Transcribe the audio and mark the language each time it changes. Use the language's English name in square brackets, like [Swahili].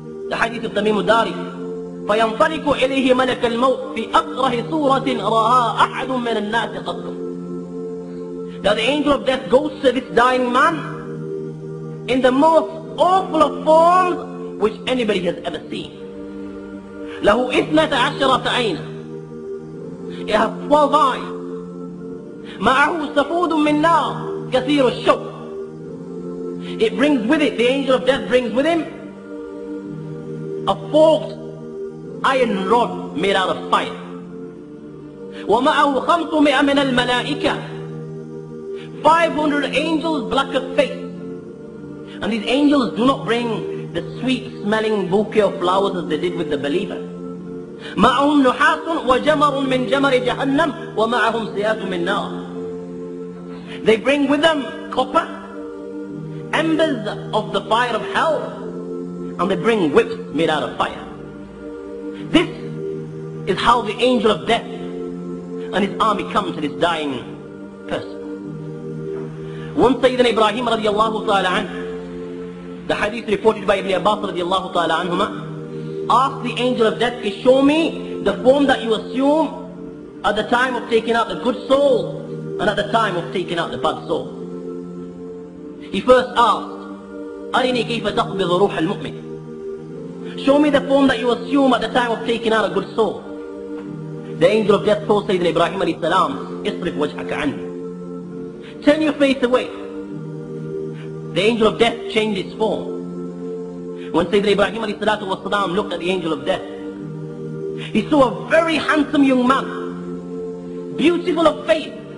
[Arabic] لحديث التميم الداري فينطلق إليه ملك الموت في أكره صورة رآها أحد من الناس قط. [English] Now the angel of death goes to this dying man in the most awful of forms which anybody has ever seen. [Arabic] له إثنة عشرة عينة. [English] It has 12 eyes. [Arabic] معه سفود من نار كثير الشوك. [English] It brings with it, the angel of death brings with him a forked iron rod made out of fire. [Arabic] ومعه خمسمائة من الملائكة. [English] 500 angels black of face. And these angels do not bring the sweet smelling bouquet of flowers as they did with the believer. [Arabic] معهم نحاس وجمر من جمر جهنم ومعهم سياط من نار. [English] They bring with them copper, embers of the fire of hell, and they bring whips made out of fire. This is how the angel of death and his army come to this dying person. One Sayyidina Ibrahim radiallahu ta'ala anh, the hadith reported by Ibn Abbas radiallahu ta'ala anhuma, asked the angel of death to show me the form that you assume at the time of taking out the good soul and at the time of taking out the bad soul. He first asked, [Arabic] أَرِنِي كَيْفَ تَقْبِضُ رُوحَ الْمُؤْمِنِ. [English] Show me the form that you assume at the time of taking out a good soul. The angel of death told Sayyidina Ibrahim alayhi salam, [Arabic] اصرف وجهك عني. [English] Turn your face away. The angel of death changed its form. When Sayyidina Ibrahim alayhi salatu wa salam looked at the angel of death, he saw a very handsome young man, beautiful of face.